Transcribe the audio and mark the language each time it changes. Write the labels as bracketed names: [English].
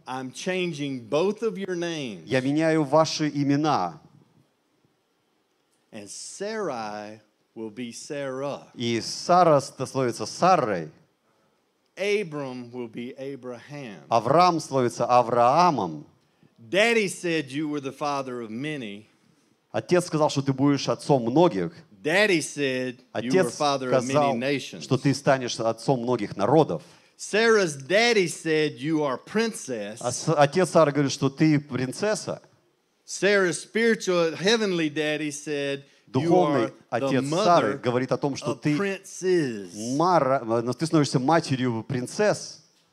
[English] I'm changing both of your names. [Russian] Я меняю ваши имена. [English] And Sarai will be Sarah. [Russian] И Сара становится Сарой. [English] Abram will be Abraham. [Russian] Авраам становится Авраамом. [English] Daddy said you were the father of many. [Russian] Отец сказал, что ты будешь отцом многих. [English] Daddy said you were father of many nations. [Russian] Отец сказал, что ты станешь отцом многих народов. [English] Sarah's daddy said you are princess. [Russian] Отец Сары говорит, что ты принцесса. [English] Sarah's spiritual heavenly daddy said. [Russian] Духовный отец Сары говорит о том, что ты становишься матерью принцесс.